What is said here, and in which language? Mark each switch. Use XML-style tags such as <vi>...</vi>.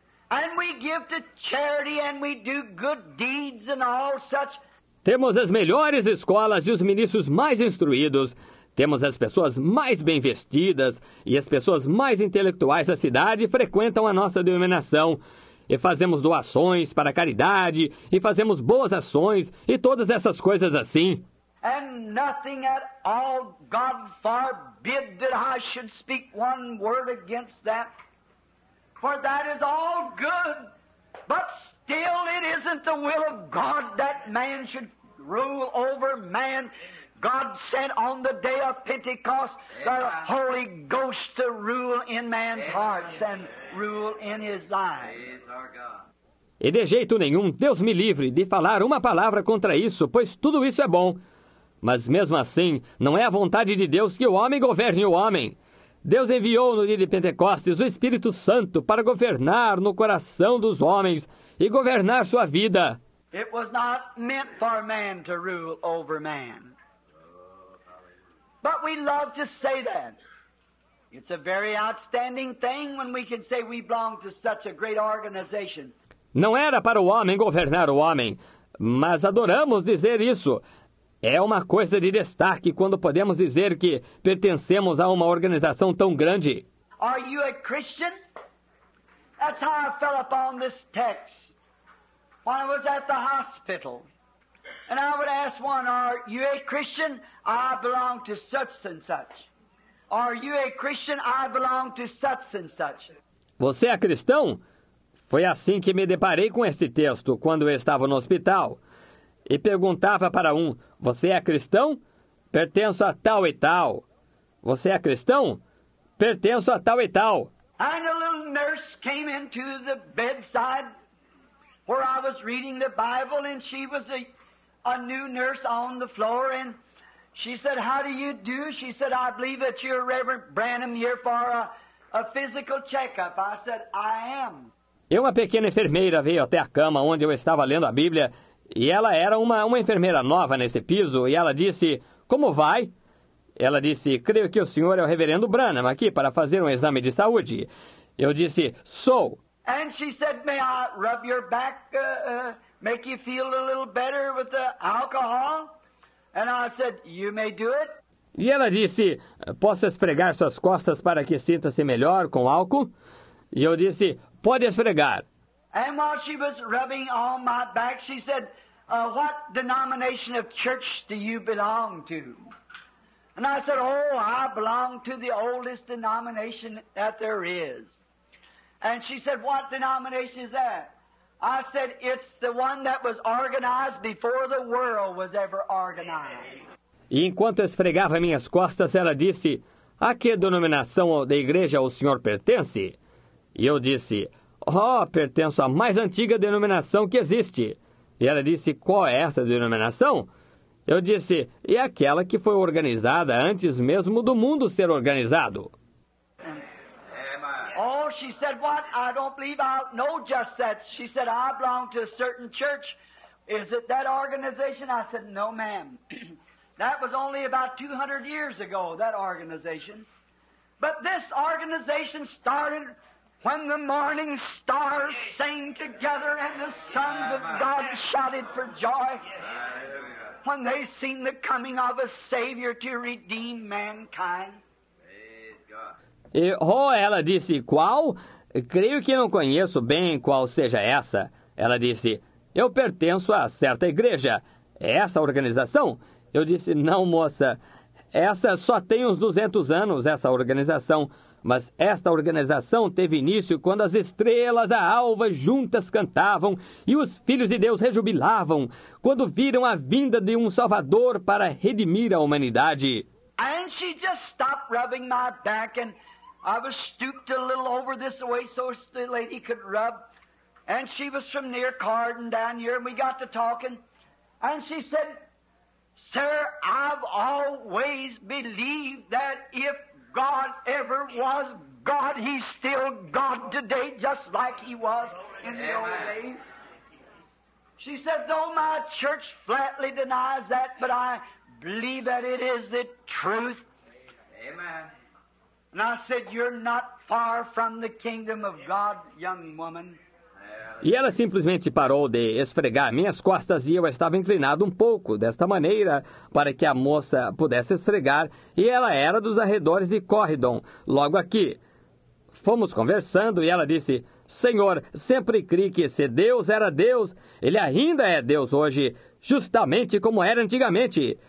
<en>And we give to charity and we do good deeds and all such.</en> <pt>Temos as melhores escolas e os ministros mais instruídos. Temos as pessoas mais bem vestidas e as pessoas mais intelectuais da cidade frequentam a nossa denominação. E fazemos doações para caridade, e fazemos boas ações, e todas essas coisas assim.</pt> <en>And nothing at all, God forbid that I should speak one word against that. For that is all good, but still it isn't the will of God that man should rule over man. God sent on the day of Pentecost the Holy Ghost to rule in man's hearts and rule in his life.</en> <pt>E de jeito nenhum, Deus me livre de falar uma palavra contra isso, pois tudo isso é bom. Mas mesmo assim, não é a vontade de Deus que o homem governe o homem. Deus enviou no dia de Pentecostes o Espírito Santo para governar no coração dos homens e governar sua vida.</pt> <en>It was not meant for man to rule over man. But we love to say that. It's a very outstanding thing when we can say we belong to such a great organization.</en> <pt>Não era para o homem governar o homem, mas adoramos dizer isso. É uma coisa de destaque quando podemos dizer que pertencemos a uma organização tão grande.</pt> <en>Are you a Christian? That's how I fell upon this text. When I was at the hospital. And I would ask one, are you a Christian? I belong to such and such. Are you a Christian? I belong to such and such.</en> <pt>Você é cristão? Foi assim que me deparei com esse texto quando eu estava no hospital. E perguntava para um, você é cristão? Pertenço a tal e tal. Você é cristão? Pertenço a tal e tal.</pt> <en>And a little nurse came into the bedside where I was reading the Bible, and she was a new nurse on the floor, and she said, how do you do? She said, I believe that you're Reverend Branham here for a physical checkup. I said, I am.</en> <pt>E uma pequena enfermeira veio até a cama onde eu estava lendo a Bíblia, e ela era uma enfermeira nova nesse piso, e ela disse, como vai? Ela disse, creio que o senhor é o Reverendo Branham aqui para fazer um exame de saúde. Eu disse, sou.</pt> <en>And she said, may I rub your back, make you feel a little better with the alcohol? And I said, you may do it.</en> <pt>E ela disse, posso esfregar suas costas para que sinta-se melhor com álcool? E eu disse, pode esfregar.</pt> <en>And while she was rubbing on my back, she said, what denomination of church do you belong to? And I said, oh, I belong to the oldest denomination that there is. And she said, what denomination is that? I said, it's the one that was organized before the world was ever organized.</en> <pt>E enquanto esfregava minhas costas, ela disse, a que denominação da igreja o senhor pertence? E eu disse, oh, pertenço à mais antiga denominação que existe. E ela disse, qual é essa denominação? Eu disse, e aquela que foi organizada antes mesmo do mundo ser organizado.</pt> <en>Oh, she said, what? I don't believe I know just that. She said, I belong to a certain church. Is it that organization? I said, no, ma'am. That was only about 200 years ago, that organization. But this organization started when the morning stars sang together and the sons of God shouted for joy. When they seen the coming of a Savior to redeem mankind.</en> <pt>E, oh, ela disse, qual? Creio que não conheço bem qual seja essa. Ela disse, eu pertenço a certa igreja. É essa organização? Eu disse, não, moça. Essa só tem uns 200 anos, essa organização. Mas esta organização teve início quando as estrelas, a alva, juntas cantavam e os filhos de Deus rejubilavam quando viram a vinda de um Salvador para redimir a humanidade.</pt> <en>And she just stopped rubbing my back and I was stooped a little over this way so the lady could rub. And she was from near Carden down here and we got to talking. And she said, sir, I've always believed that if God ever was God, he's still God today, just like he was in the old days. She said, though my church flatly denies that, but I believe that it is the truth. Amen. And I said, you're not far from the kingdom of God, young woman.</en> <pt>E ela simplesmente parou de esfregar minhas costas e eu estava inclinado um pouco, desta maneira, para que a moça pudesse esfregar, e ela era dos arredores de Corridon, logo aqui. Fomos conversando e ela disse, Senhor, sempre crie que se Deus era Deus, Ele ainda é Deus hoje, justamente como era antigamente.</pt>